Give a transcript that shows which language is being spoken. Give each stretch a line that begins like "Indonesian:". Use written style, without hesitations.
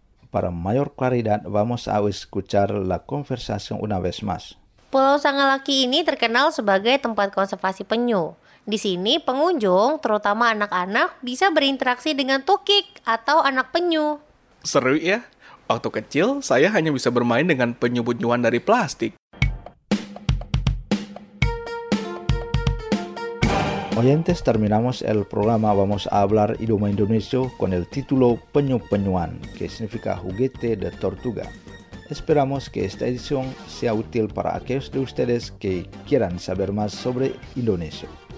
Spanish: Para mayor claridad, vamos a escuchar la conversación una vez más.
Indonesian: Pulau Sangalaki ini terkenal sebagai tempat konservasi penyu. Di sini, pengunjung, terutama anak-anak, bisa berinteraksi dengan tukik atau anak penyu. Seru ya. Waktu kecil, saya hanya bisa bermain dengan penyu-penyuan dari plastik.
Spanish: Oyentes, terminamos el programa Vamos a hablar idioma indonesio con el título Penyu-penyuan, que significa juguete de tortuga. Esperamos que esta edición sea útil para aquellos de ustedes que quieran saber más sobre Indonesia.